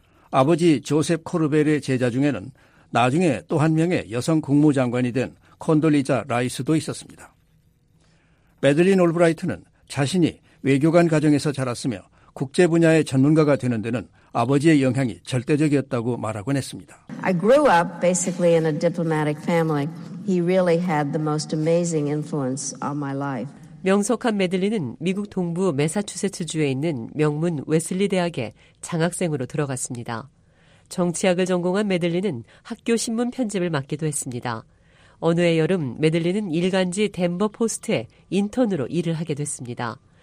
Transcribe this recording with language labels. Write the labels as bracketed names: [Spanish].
[Korean] 아버지 조셉 코르벨의 제자 중에는 나중에 또 한 명의 여성 국무장관이 된 콘돌리자 라이스도 있었습니다. 매들린 올브라이트는 자신이 외교관 가정에서 자랐으며 국제 분야의 전문가가 되는 데는 아버지의 영향이 절대적이었다고 말하곤 했습니다. [English] I grew up basically in a diplomatic family. He really had the most amazing influence on my life. [Korean] 명석한 매들린은 미국 동부 매사추세츠주에 있는 명문 웨슬리 대학에 장학생으로 들어갔습니다. 정치학을 전공한 매들린은 학교 신문 편집을 맡기도 했습니다. 어느 해 여름 매들린은 일간지 덴버 포스트에 인턴으로 일을 하게 됐습니다.